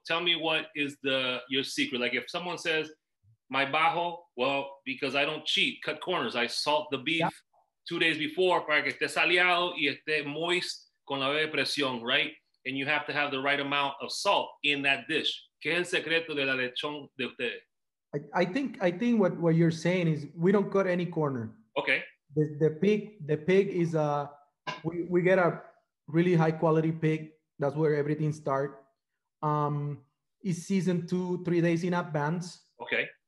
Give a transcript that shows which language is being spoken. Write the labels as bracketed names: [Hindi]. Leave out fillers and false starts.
[English] Tell me what is your secret. Like, if someone says, my bajo, well, because I don't cheat, cut corners. I salt the beef 2 days before [Spanish] para que esté saliado y esté moist con la presión, right? [English] And you have to have the right amount of salt in that dish. [Spanish] ¿Qué es el secreto de la lechon de ustedes? [English] I think what you're saying is we don't cut any corner. Okay. The pig is we get a really high quality pig. That's where everything starts. It's seasoned 2-3 days in advance. Okay.